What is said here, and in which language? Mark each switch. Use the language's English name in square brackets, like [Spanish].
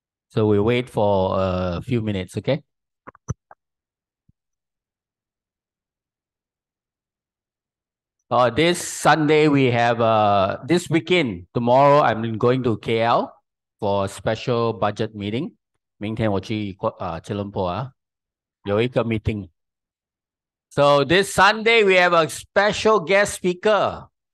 [English] So we wait for a few minutes, okay? This Sunday we have this weekend. Tomorrow I'm going to KL for a special budget meeting. [Chinese] 明天我去吉隆坡啊，有一个 meeting. [English] So this Sunday we have a special guest speaker.